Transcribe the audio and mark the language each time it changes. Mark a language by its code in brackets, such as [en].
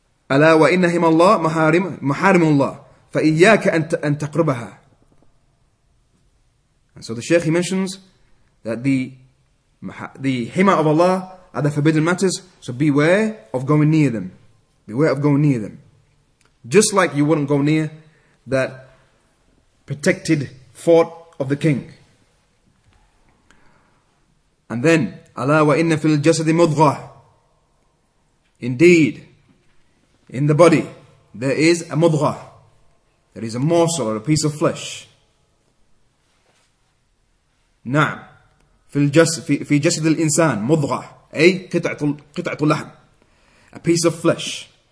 [ar] ألا وإن هم الله محارم الله فإياك أن تقربها. [en] And so the Shaykh, he mentions that the hima of Allah are the forbidden matters, so beware of going near them. Beware of going near them. Just like you wouldn't go near that protected fort of the king. And then [ar] ألا وإن في الجسد مضغة. [en] Indeed, in the body, there is a mudgha. There is a morsel or a piece of flesh. [ar] Na'am. Fi jasad al-insan, mudgha. Ay, qita'atu lahm. [en] A piece of flesh.